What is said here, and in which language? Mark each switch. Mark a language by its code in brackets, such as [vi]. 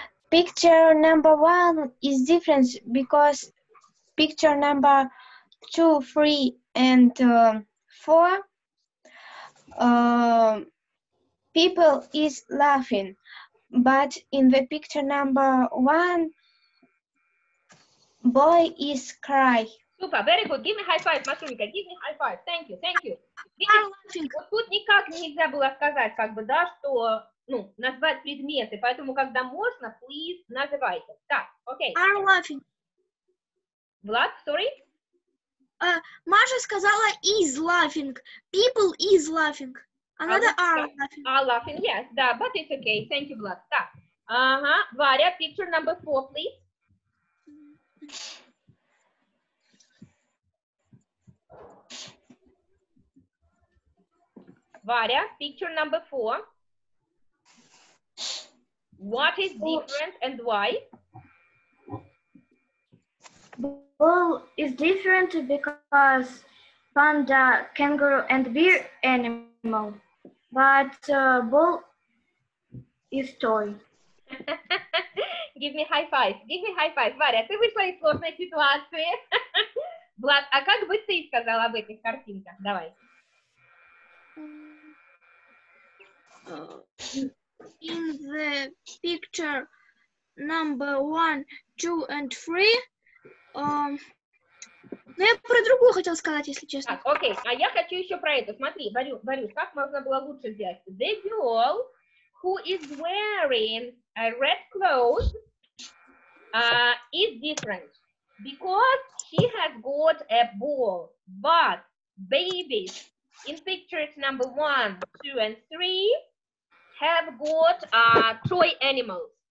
[en] Picture number 1 is different because picture number 2, 3, and 4. People is laughing, but in the picture number 1, boy is cry. Super, very good. Give me high five, Машунька. Give me high five. Thank you, thank you. [ru] Вот тут никак нельзя было сказать, как бы, да, что, ну, назвать предметы. Поэтому, когда можно, please называйте. Так, окей. [en] Okay. I'm laughing. Влад, sorry. [ru] Маша сказала [en] is laughing. People is laughing. Another are laughing. Are laughing, yes, да, but it's okay. Thank you, Vlad. [ru] Так. Ага. [en] Варя, picture number 4, please. Варя, picture number 4. What is different and why? Well, it's different because panda, kangaroo, and bear animal, but ball is toy. Give me high five. Give me high five. [ru] Варя, ты вышла из сложной ситуации. Влад, а как бы ты сказала об этих картинках? Давай. [en] In the picture number 1, 2, and 3, [ru] ну, я про другую хотела сказать, если честно. Так, окей, а я хочу еще про это. Смотри, Борюс, как можно было лучше сделать? [en] The girl who is wearing a red cloth is different because she has got a ball. But babies in pictures number 1, 2, and 3 have got toy animals.